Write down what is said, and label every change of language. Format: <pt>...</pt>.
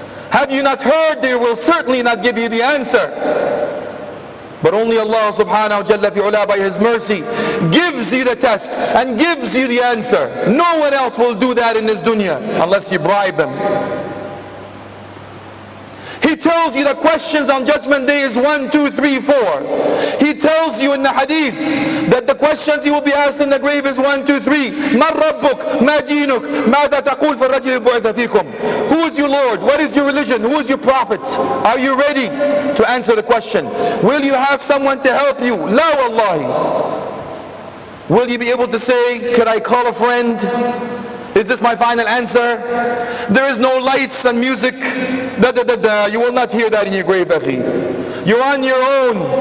<en>Have you not heard they will certainly not give you the answer? But only Allah</en> <ar>subhanahu wa jalla fi ula</ar> <en>by His mercy gives you the test and gives you the answer. No one else will do that in this dunya unless you bribe them. He tells you the questions on Judgment Day is 1, 2, 3, 4. He tells you in the hadith that the questions you will be asked in the grave is 1, 2, 3.</en> <ar>مَنْ رَبُّكْ مَا دِينُكْ مَاذَا تَقُولْ فَالرَّجِلِ بُعْثَ فِيكُمْ</ar> <en>Who is your Lord? What is your religion? Who is your prophet? Are you ready to answer the question? Will you have someone to help you?</en> <ar>لا والله.</ar> <en>Will you be able to say, could I call a friend? Is this my final answer? There is no lights and music. Da da da da. You will not hear that in your grave, akhi. You're on your own.</en>